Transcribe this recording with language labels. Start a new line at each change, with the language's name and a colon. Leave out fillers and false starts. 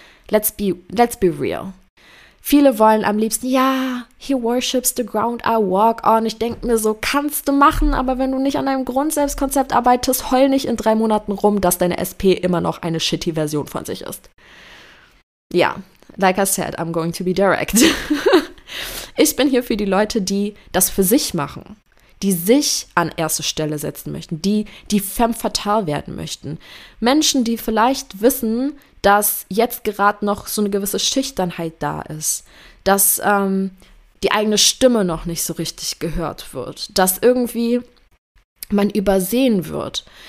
English: Let's be real.
German: Viele wollen am liebsten, ja,
English: he worships the ground I walk on.
German: Ich denke mir so, kannst du machen, aber wenn du nicht an deinem Grundselbstkonzept arbeitest, heul nicht in 3 Monaten rum, dass deine SP immer noch eine shitty Version von sich ist.
English: Ja, like I said, I'm going to be direct.
German: Ich bin hier für die Leute, die das für sich machen, die sich an erste Stelle setzen möchten, die femme fatale werden möchten. Menschen, die vielleicht wissen, dass jetzt gerade noch so eine gewisse Schüchternheit da ist, dass die eigene Stimme noch nicht so richtig gehört wird, dass irgendwie man übersehen wird.